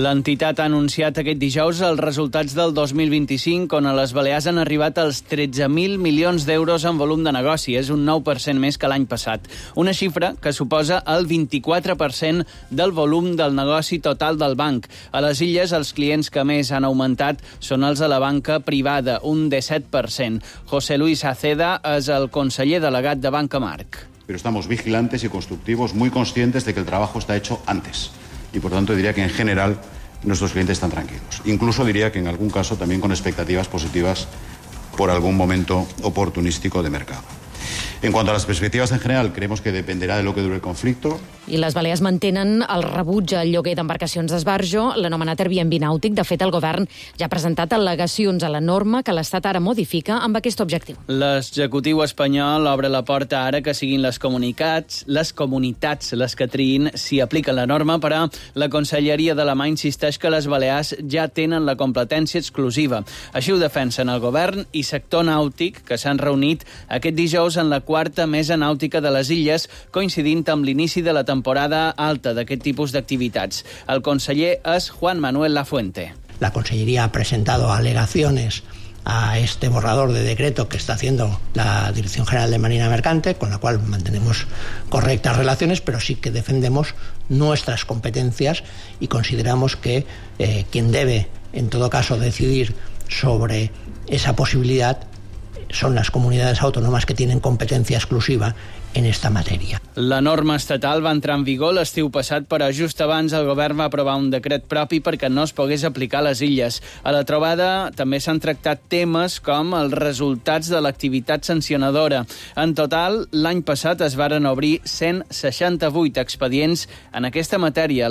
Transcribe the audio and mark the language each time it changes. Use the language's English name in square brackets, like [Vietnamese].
[Catalan] L'entitat ha anunciat aquest dijous els resultats del 2025, on a les Balears han arribat els 13.000 milions d'euros en volum de negoci. És un 9% més que l'any passat. Una xifra que suposa el 24% del volum del negoci total del banc. A les Illes, els clients que més han augmentat són els de la banca privada, un 17%. José Luis Aceda és el conseller delegat de Banca Marc. [Spanish] Pero estamos vigilantes y constructivos, muy conscientes de que el trabajo está hecho antes. Y por tanto diría que en general nuestros clientes están tranquilos. Incluso diría que en algún caso también con expectativas positivas por algún momento oportunístico de mercado. En cuanto a las perspectivas en general, creemos que dependerá de lo que dure el conflicto. [Catalan] I les Balears mantenen el rebuig al lloguer d'embarcacions d'esbarjo, l'anomenat Airbnb nàutic. De fet, el govern ja ha presentat al·legacions a la norma que l'Estat ara modifica amb aquest objectiu. L'executiu espanyol obre la porta ara que siguin les comunitats les que triïn si aplica la norma, però la Conselleria de la Mà insisteix que les Balears ja tenen la competència exclusiva. Així ho defensen el govern i sector nàutic, que s'han reunit aquest dijous en la quarta mesa nàutica de les Illes, coincidint amb l'inici de la temporada alta d'aquest tipus d'activitats. El conseller és Juan Manuel Lafuente. [Spanish] La conselleria ha presentado alegaciones a este borrador de decreto que está haciendo la Dirección General de Marina Mercante, con la cual mantenemos correctas relaciones, pero sí que defendemos nuestras competencias y consideramos que quien debe, en todo caso, decidir sobre esa posibilidad son las comunidades autónomas que tienen competencia exclusiva en esta materia. [Catalan] La norma estatal va entrar en vigor l'estiu passat, però just abans el govern va aprovar un decret propi perquè no es pogués aplicar a les Illes. A la trobada també s'han tractat temes com els resultats de l'activitat sancionadora. En total, l'any passat es varen obrir 168 expedients en aquesta matèria.